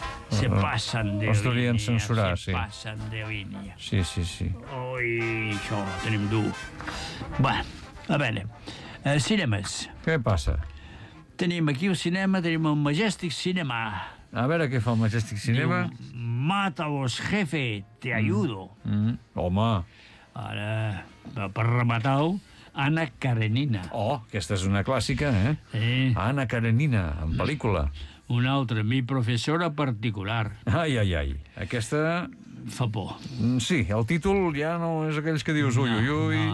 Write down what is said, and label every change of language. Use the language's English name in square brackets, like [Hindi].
[Catalan] Se passen de línia. Els volien censurar, sí. Se passen de línia. Sí, sí, sí. Ui, això, tenim dur. Va, a veure. Cinemes. Què passa? Tenim aquí el cinema, tenim el Majestic Cinema. A veure què fa el Majestic Cinema. [Spanish] Diu, mátalos, jefe, te ayudo. [Catalan] Home. Ara, per rematar-ho, Anna Karenina. Oh, aquesta és una clàssica, eh? Anna Karenina, en pel·lícula. Una altra, mi professora particular. Ai, ai, ai. Aquesta... Fa por. Sí, el títol ja no és aquells que dius ui, ui, ui.